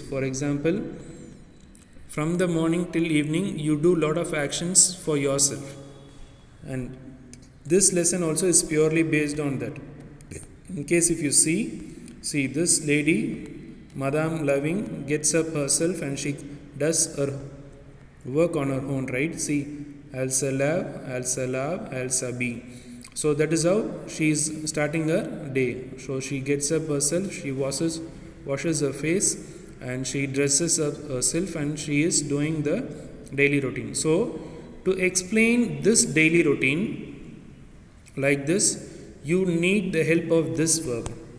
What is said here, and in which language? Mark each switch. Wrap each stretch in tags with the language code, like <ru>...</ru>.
<en>For example, from the morning till evening, you do a lot of actions for yourself. And this lesson also is purely based on that. In case if you see this lady, Madame Loving, gets up herself and she does her work on her own, right?</en> <fr>See, elle se lève, elle se lave, elle s'habille.</fr> <en>So that is how she is starting her day. So she gets up herself, she washes her face and she dresses up herself and she is doing the daily routine. So to explain this daily routine like this, you need the help of this verb.</en>